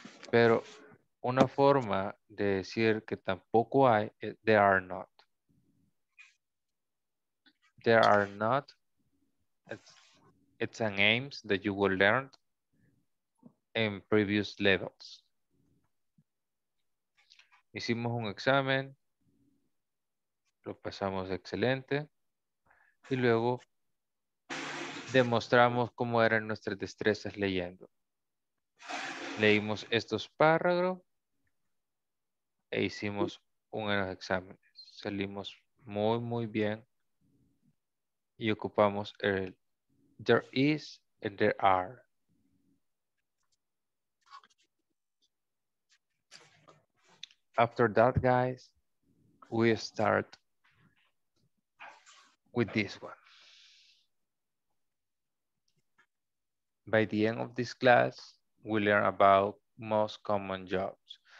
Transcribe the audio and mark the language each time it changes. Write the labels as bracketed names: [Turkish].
[Spanish] Pero una forma de decir que tampoco hay, [English] there are not. There are not. It's an aim that you will learn in previous levels. [Spanish] Hicimos un examen, lo pasamos excelente, y luego demostramos cómo eran nuestras destrezas leyendo. Leímos estos párrafos e hicimos uno de los exámenes. Salimos muy, muy bien y ocupamos el [English] there is and there are. After that, guys, we start with this one. By the end of this class, we learn about most common jobs.